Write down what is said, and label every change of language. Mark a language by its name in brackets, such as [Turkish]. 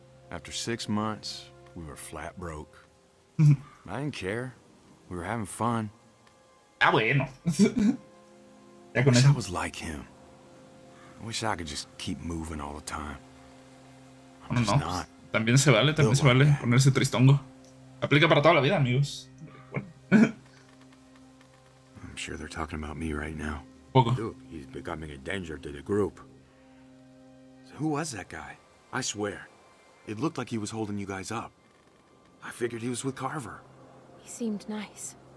[English] After 6 months, we were flat broke. I didn't care. We were having fun. [Spanish] Ah, bueno. [English] I wish I was like him. I wish I could just keep moving all the time. I'm just not. [Spanish] También se vale, también se vale ponerse tristongo. Aplica para toda la vida, amigos. Bueno. [English] I'm sure they're talking about me right now. [Spanish] Poco. [English] Dude, he's becoming a danger to the group. So who was that guy? I swear. It looked like he was holding you guys up. I figured he was with Carver. He seemed nice.